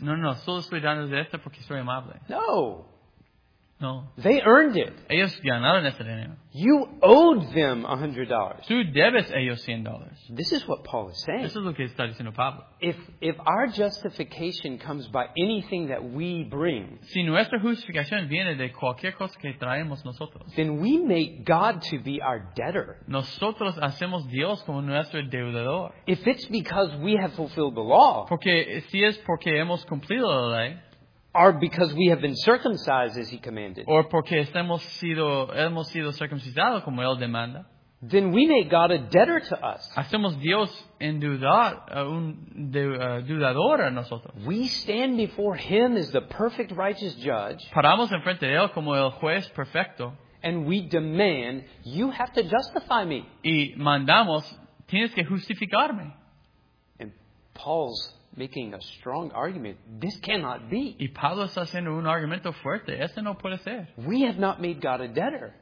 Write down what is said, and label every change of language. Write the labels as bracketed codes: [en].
[es] No. Solo estoy dando esto porque soy amable. No. No. [en] They earned it. [es] Ellos ganaron ese dinero. [en] You owed them $100. [es] Tú debes ellos $100. [en] This is what Paul is saying. [es] Eso es lo que está diciendo Pablo. [en] If our justification comes by anything that we bring, [es] si nuestra justificación viene de cualquier cosa que traemos nosotros, [en] then we make God to be our debtor. [es] Nosotros hacemos Dios como nuestro deudor. [en] If it's because we have fulfilled the law, [es] porque si es porque hemos cumplido la ley, [en] or because we have been circumcised as he commanded, or [es] porque hemos sido circuncidados como él demanda, [en] then we make God a debtor to us. [es] Hacemos Dios deudor a nosotros. [en] We stand before him as the perfect righteous judge. [es] Paramos enfrente de él como el juez perfecto. [en] And we demand, you have to justify me. [es] Y mandamos, tienes que justificarme. [en] And Paul's making a strong argument, this cannot be. [es] Y Pablo está haciendo un argumento fuerte. Este no puede ser. [en] We have not made God a debtor.